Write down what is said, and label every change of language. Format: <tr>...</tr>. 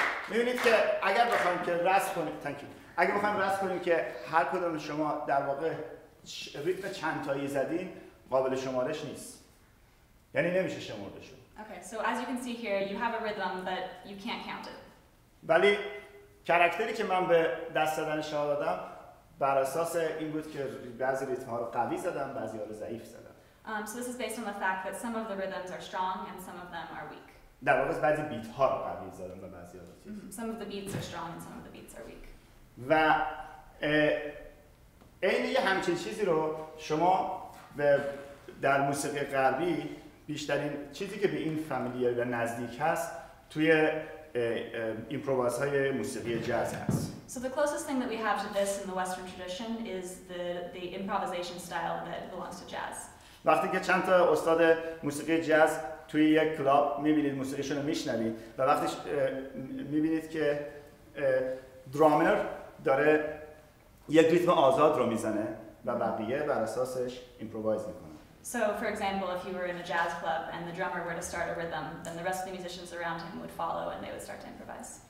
<fa>می‌بینید که اگر بخوایم که رسم کنیم اگر بخوایم رسم کنیم که هر کدوم شما در واقع ریتم چند تایی زدین قابل شمارش نیست یعنی نمیشه شمردشون.</fa> <en>Okay, so as you can see here, you have a rhythm, but you can't count it.</en> <fa>ولی کاراکتری که من به دست زدن شما دادم بر اساس این بود که بعضی ریتم ها رو قوی زدم بعضی ها رو ضعیف زدم.</fa> <en>So this is based on the fact that some of the rhythms are strong and some of them are weak.</en> <fa>در واقع بعضی بیت ها رو قوی زدم و بعضی ها رو ضعیف.</fa> <en>Some of the beats are strong and some of the beats are weak.</en> <fa>و این یه همچین چیزی رو شما به در موسیقی غربی بیشترین چیزی که به این فامیلیار و نزدیک هست توی ایمپروواز های موسیقی جاز هست.</fa> <en>So the closest thing that we have to this in the Western tradition is the improvisation style that belongs to jazz.</en> <fa>وقتی که چند تا استاد موسیقی جاز توی یک کلاب میبینید موسیقیشون رو میشنوید و وقتی میبینید که درامر داره یک ریتم آزاد رو میزنه و بقیه بر اساسش ایمپروایز میکنه.</fa> <en>So, for example, if you were in a jazz club and the drummer were to start a rhythm, then the rest of the musicians around him would follow and they would start to improvise.</en>